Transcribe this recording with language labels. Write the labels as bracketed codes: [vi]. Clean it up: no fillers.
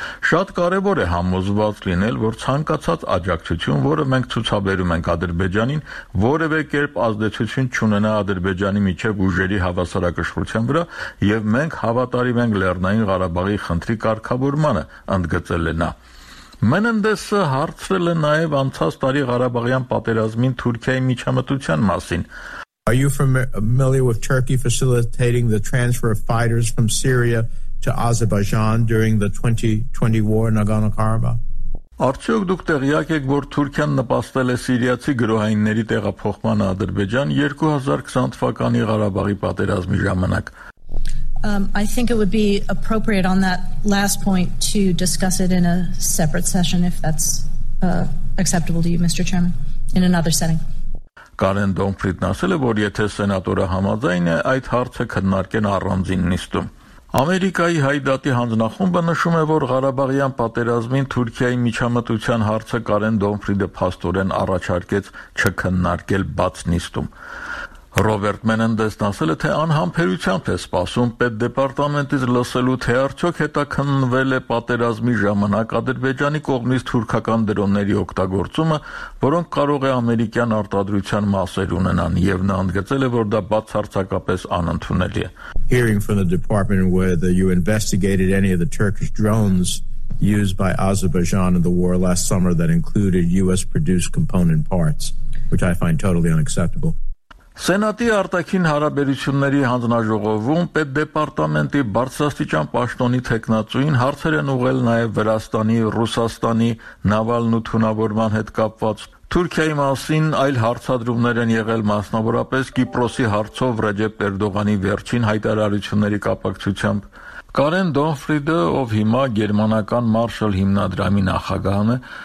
[hy] Շատ կարևոր է համոզված լինել, որ ցանկացած աջակցություն, որը մենք ցուցաբերում ենք Ադրբեջանին, որևէ կերպ ազդեցություն չունենա Ադրբեջանի միջև ուժերի հավասարակշռության վրա, և մենք հավատարիմ ենք Լեռնային Ղարաբաղի խնդրի կարգավորմանը, ընդգծել է նա։ Մենդեսը հարցրել է նաև անցած տարի Ղարաբաղյան պատերազմին Թուրքիայի միջամտության մասին. [en] Are you familiar with Turkey facilitating the transfer of fighters from Syria to Azerbaijan during the 2020 war in Nagorno-Karabakh? [hy] Արդյոք դուք տեղյակ եք, որ Թուրքիան նպաստել է Սիրիացի գրոհայինների տեղափոխմանը Ադրբեջան 2020 թվականի Ղարաբաղի պատերազմի ժամանակ? [en] I think it would be appropriate on that last point to discuss it in a separate session, if that's acceptable to you, Mr. Chairman, in another setting. [hy] Կարեն Դոնֆրիդն ասել է, որ եթե սենատորը համաձայն է, այդ հարցը քննարկեն առանձին նիստում։ Ամերիկայի հայդատի հանձնախումբը նշում է, որ Ղարաբաղյան պատերազմին Թուրքիայի միջամտության հարցը Կարեն Դոնֆրիդը փաստորեն առաջարկեց չքննարկել բաց նիստում։ Ռոբերտ Մենենդեսն ասել է, թե անհամբերությամբ է սպասում պետ դեպարտամենտից լսելու, թե արդյոք հետաքննվել է պատերազմի ժամանակ Ադրբեջանի կողմից թուրքական դրոնների օգտագործումը, որոնք կարող է ամերիկյան արտադրության մասեր ունենան, և նա ընդգծել է, որ դա բացարձակապես անընդունելի է. [en] Hearing from the department whether you investigated any of the Turkish drones used by Azerbaijan in the war last summer that included US produced component parts, which I find totally unacceptable. [hy] Սենատի արտաքին հարաբերությունների հանձնաժողովում պետ դեպարտամենտի բարձրաստիճան պաշտոնի թեկնածուին հարցեր են ուղղել նաև Վրաստանի, Ռուսաստանի Նավալնու թունավորման հետ կապված։ Թուրքիայի մասին այլ հարցադրումներ են եղել, մասնավորապես Կիպրոսի հարցով Ռեջեփ Էրդողանի վերջին հայտարարությունների կապակցությամբ։ Կարեն Դոնֆրիդը, ով հիմա գերմանական Մարշալ հիմնադրամի նախագահն է,